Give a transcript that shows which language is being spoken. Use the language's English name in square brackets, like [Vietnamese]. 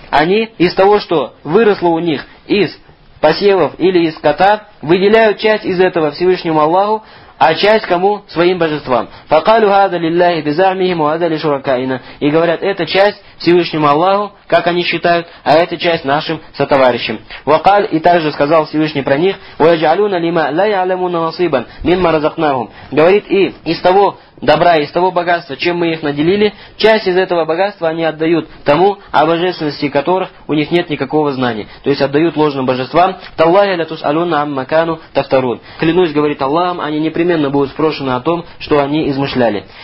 [Russian] Они из того, что выросло у них из посевов или из скота, выделяют часть из этого Всевышнему Аллаху, а часть кому? Своим божествам. [Arabic] فَقَالُوا هَذَا لِلَّهِ بِزَعْمِهِمْ وَهَذَا لِشُرَكَائِنَا. [Russian] И говорят, эта часть Всевышнему Аллаху, как они считают, а эта часть нашим сотоварищам. [Arabic] وَقَالُ [Russian] и также сказал Всевышний про них, [Arabic] وَيَجْعَلُونَ لِمَا لَا يَعْلَمُونَ نَصِيبًا مِمَّا رَزَقْنَاهُمْ. [Russian] Говорит, и из того добра, из того богатства, чем мы их наделили, часть из этого богатства они отдают тому, о божественности которых у них нет никакого знания. То есть отдают ложным божествам. [Arabic] «Таллахи ля тус'алюнна амма кану тафтарун». [Russian] Клянусь, говорит Аллахом, они непременно будут спрошены о том, что они измышляли.